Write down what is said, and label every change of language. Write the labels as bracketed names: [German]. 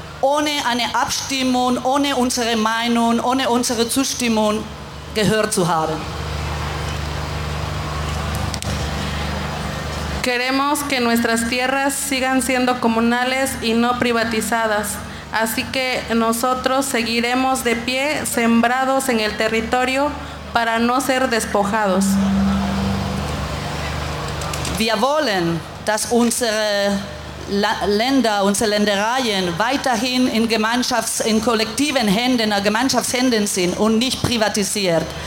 [German] Ohne eine Abstimmung, ohne unsere Meinung, ohne unsere Zustimmung gehört zu haben. [Spanish] Queremos que nuestras tierras sigan siendo comunales y no privatizadas. Así que nosotros seguiremos de pie, sembrados en el territorio, para no ser despojados. [German] Wir wollen, dass unsere Länder, unsere Ländereien weiterhin in Gemeinschaftshänden sind und nicht privatisiert.